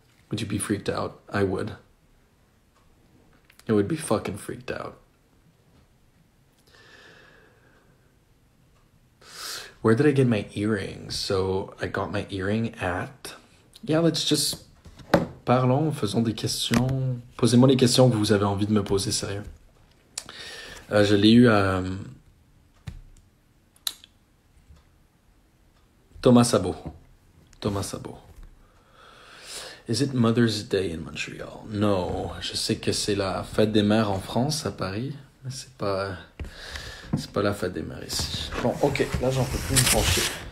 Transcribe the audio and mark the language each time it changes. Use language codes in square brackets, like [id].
[en] Would you be freaked out? I would. It would be fucking freaked out. Where did I get my earring? So I got my earring at. Yeah, let's just. [fr] Parlons, faisons des questions. Posez-moi les questions que vous avez envie de me poser, sérieux. Je l'ai eu à. Thomas Sabot. Thomas Sabot. [en] Is it Mother's Day in Montreal? [fr] Non, je sais que c'est la fête des mères en France, à Paris, mais c'est pas la fête des mères ici. Bon, ok, là j'en peux plus me pencher.